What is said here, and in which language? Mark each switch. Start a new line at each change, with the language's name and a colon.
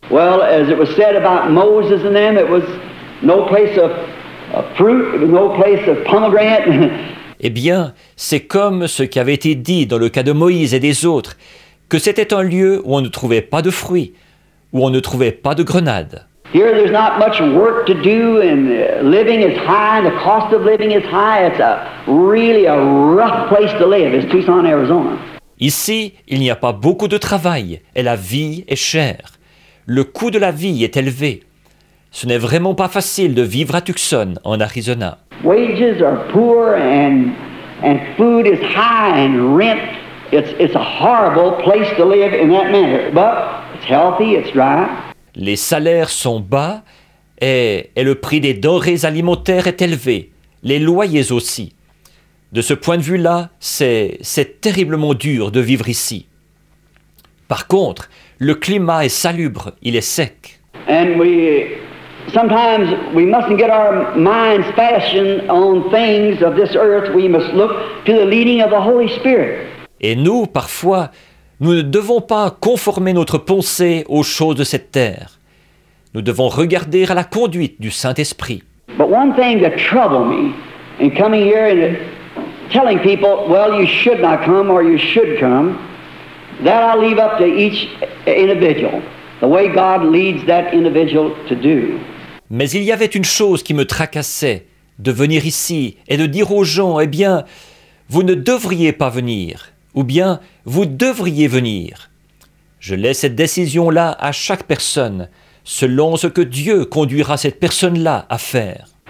English: Well, as it was said about Moses and them, it was no place of fruit, no place of pomegranate.
French: Eh bien, c'est comme ce qui avait été dit dans le cas de Moïse et des autres, que c'était un lieu où on ne trouvait pas de fruits, où on ne trouvait pas de grenades.
English: Here there's not much work to do and living is high, the cost of living is high. It's a really a rough place to live. It's Tucson, Arizona.
French: Ici, il n'y a pas beaucoup de travail et la vie est chère. Le coût de la vie est élevé. Ce n'est vraiment pas facile de vivre à Tucson, en Arizona.
English: Wages are poor and food is high and rent. It's a horrible place to live in that manner, but it's healthy, it's dry.
French: Les salaires sont bas et le prix des denrées alimentaires est élevé, les loyers aussi. De ce point de vue-là, c'est terriblement dur de vivre ici. Par contre, le climat est salubre, il est sec.
English: And sometimes we mustn't get our minds fastened on things of this earth. We must look to the leading of the Holy Spirit.
French: Et nous, parfois, nous ne devons pas conformer notre pensée aux choses de cette terre. Nous devons regarder à la conduite du Saint-Esprit.
English: But one thing that troubled me in coming here and telling people, well, you should not come or you should come, that I leave up to each individual, the way God leads that individual to do.
French: Mais il y avait une chose qui me tracassait, de venir ici et de dire aux gens, eh bien, vous ne devriez pas venir. Ou bien, vous devriez venir. Je laisse cette décision-là à chaque personne, selon ce que Dieu conduira cette personne-là à faire.